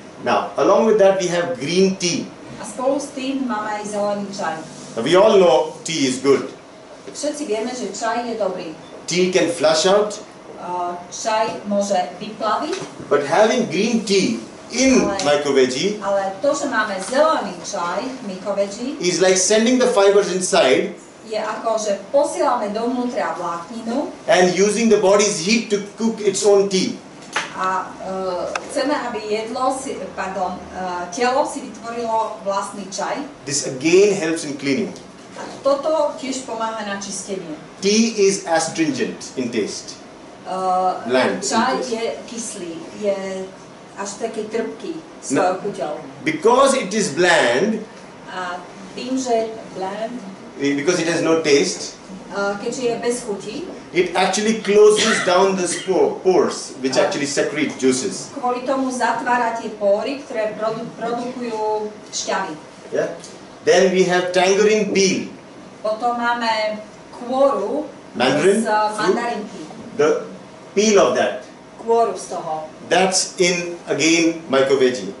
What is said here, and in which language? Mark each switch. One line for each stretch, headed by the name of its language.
English: Now, along with that we have green tea.
Slovak: A spolu s tým máme aj zelený čaj.
English: Now, we all know tea is good.
Slovak: Všetci vieme, že čaj je dobrý.
English: Tea can flush out.
Slovak: Čaj môže vyplaviť.
English: But having green tea in MycoVeggie.
Slovak: Ale to, že máme zelený čaj v MycoVeggie.
English: Is like sending the fibers inside.
Slovak: Je ako, že posielame dovnútra vlákninu.
English: And using the body's heat to cook its own tea.
Slovak: A chceme, aby jedlo si, pardon, telo si vytvorilo vlastný čaj.
English: This again helps in cleaning.
Slovak: A toto tiež pomáha na čistenie.
English: Tea is astringent in taste.
Slovak: Čaj je kyslý, je až taký trpký svojou chuťou.
English: Because it is bland.
Slovak: A tým, že je bland.
English: Because it has no taste.
Slovak: Keďže je bez chuti.
English: It actually closes down the pores, which actually secrete juices.
Slovak: Kvôli tomu zatvára tie pory, ktoré produkujú šťavy.
English: Yeah. Then we have tangerine peel.
Slovak: Potom máme kôru
English: mandarin,
Slovak: z mandarinky.
English: The peel of that.
Slovak: Kôru z toho.
English: That's in, again, MycoVeggie.